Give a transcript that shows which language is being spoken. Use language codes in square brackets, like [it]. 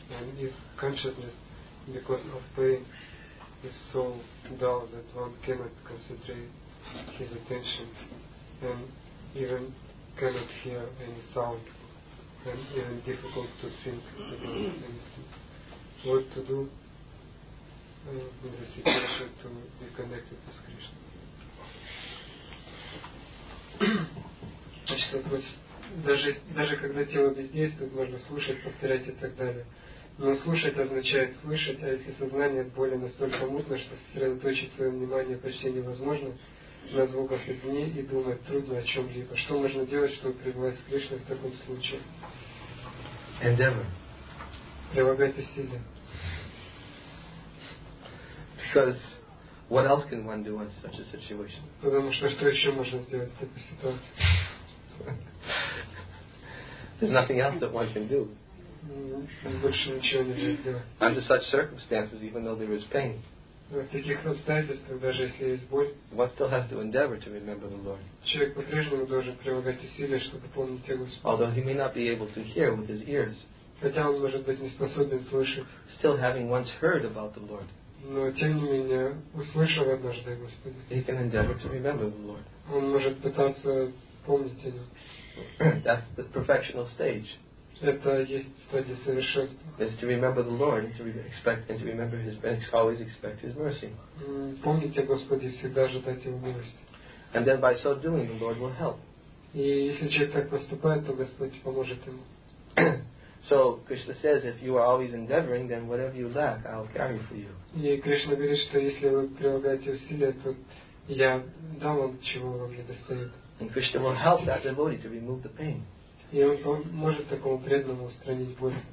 [en] And if consciousness, because of pain, is so dull that one cannot concentrate his attention, and even cannot hear any sound, and even difficult to think about anything. What to do in the situation to be connected to Krishna? [ru] Значит, вот, даже когда тело бездействует, можно слушать, повторять и так далее. Но слушать означает слышать, а если сознание боли настолько мутно, что сосредоточить свое внимание почти невозможно, на звуках извне и думать трудно о чем-либо. Что можно делать, чтобы пребывать с Кришной в таком случае? [en] Endeavor. [ru] Прилагать усилия. [en] Because what else can one do in such a situation? [ru] Потому что еще можно сделать в такой ситуации? [en] There's nothing else that one can do. [ru] Больше ничего нельзя сделать. [en] Under such circumstances, even though there is pain. [ru] В таких обстоятельствах, даже если есть боль, [en] one still has to endeavor to remember the Lord. [ru] Человек по-прежнему должен прилагать усилия, чтобы помнить его. [en] Although he may not be able to hear with his ears. [ru] Хотя он может быть не способен слышать. [en] Still having once heard about the Lord. [ru] Но тем не менее услышал однажды Господа. [en] He can endeavor to remember the Lord. [ru] Он может пытаться помнить его. [en] That's the perfectional stage. [ru] Это есть стадия совершенства. [en] Is to remember the Lord and to remember His and always expect His mercy. [ru] Помните Господи, всегда ожидать Его милости. [en] And then by so doing, the Lord will help. [ru] И если человек так поступает, то Господь поможет ему. [en] So Krishna says, if you are always endeavoring, then whatever you lack, I'll carry for you. [ru] И Кришна говорит, что если вы прилагаете усилия, то я дам вам, чего вам недостает. [en] And Krishna will help that devotee to remove the pain. [ru] И он может такому преданному устранить боль.